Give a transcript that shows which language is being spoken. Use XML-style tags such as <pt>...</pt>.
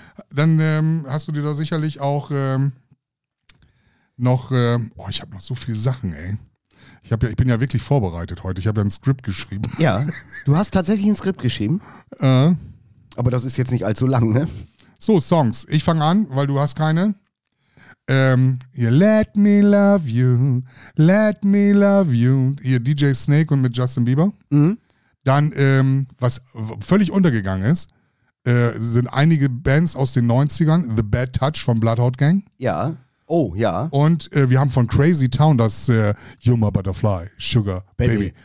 <de>Dann hast du dir da sicherlich auch noch, oh, ich habe noch so viele Sachen, ey. Ich bin ja wirklich vorbereitet heute. Ich habe ja ein Skript geschrieben. Ja, du hast tatsächlich ein Skript geschrieben. Aber das ist jetzt nicht allzu lang, ne? So, Songs. Ich fange an, weil du hast keine.</de> <en>Hier, let me love you, let me love you.</en> <de>Hier, DJ Snake und mit Justin Bieber. Mhm. Dann, was völlig untergegangen ist, sind einige Bands aus den 90ern. The Bad Touch von Bloodhound Gang. Ja. Oh, ja. Und wir haben von Crazy Town das You're My Butterfly, Sugar, Baby.</de>